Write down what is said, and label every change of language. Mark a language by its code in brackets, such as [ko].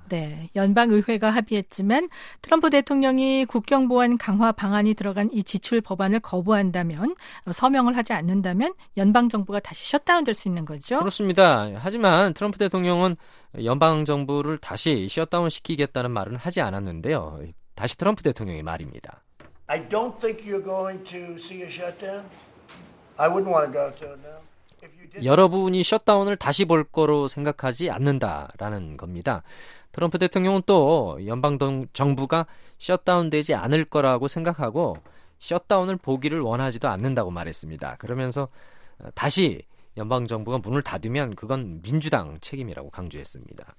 [ko] 네, 연방의회가 합의했지만 트럼프 대통령이 국경보안 강화 방안이 들어간 이 지출 법안을 거부한다면, 서명을 하지 않는다면 연방정부가 다시 셧다운될 수 있는 거죠? 그렇습니다. 하지만 트럼프 대통령은 연방정부를 다시 셧다운시키겠다는 말은 하지 않았는데요. 다시 트럼프 대통령의 말입니다. [en] I don't think you're going to see a shutdown. I wouldn't want to go to it now. [ko] 여러분이 셧다운을 다시 볼 거로 생각하지 않는다라는 겁니다. 트럼프 대통령은 또 연방정부가 셧다운되지 않을 거라고 생각하고 셧다운을 보기를 원하지도 않는다고 말했습니다. 그러면서 다시 연방정부가 문을 닫으면 그건 민주당 책임이라고 강조했습니다.